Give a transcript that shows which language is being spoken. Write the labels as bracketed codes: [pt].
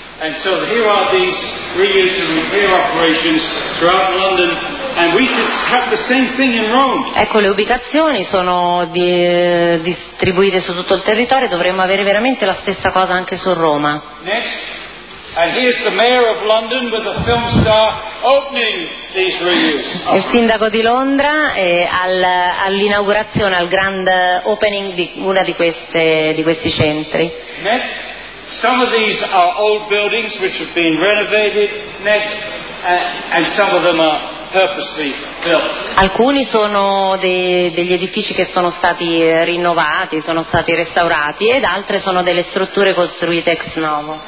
[en] And so here are these reuse and repair operations throughout London. And we should have the same thing in Rome. [it] Ecco, le ubicazioni sono distribuite su tutto il territorio, dovremmo avere veramente la stessa cosa anche su Roma. [en] Next. And here's the mayor of London with a film star opening these reuse. [it] Il sindaco di Londra è all'inaugurazione, al grand opening di una di questi centri. [en] Next. Some of these are old buildings which have been renovated. Next. And some of them are purposely built. [it] Alcuni sono degli edifici che sono stati rinnovati, sono stati restaurati, ed altre sono delle strutture costruite ex novo.